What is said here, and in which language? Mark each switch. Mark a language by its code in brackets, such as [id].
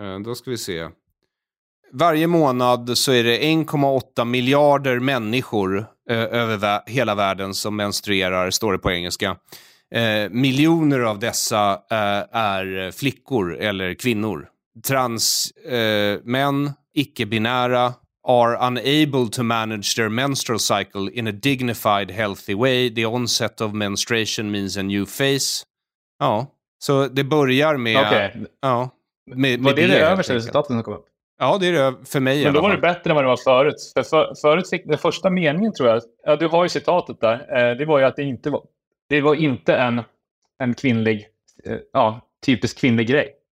[sv] Då ska vi se. Varje månad så är det 1,8 miljarder människor över hela världen som menstruerar, står det på engelska. Miljoner av dessa är flickor eller kvinnor. Transmän, icke-binära, [en] are unable to manage their menstrual cycle in a dignified, healthy way. The onset of menstruation means a new phase. [sv] Ja, så det börjar med... Okej. Okay. Ja, med det är det översta resultatet som kom upp. Ja, det är det för mig. Men då var det bättre än vad det var förut. Förut fick den första meningen, tror jag. Ja, du har ju citatet där. Det var ju att det var inte en kvinnlig, ja, typisk kvinnlig grej.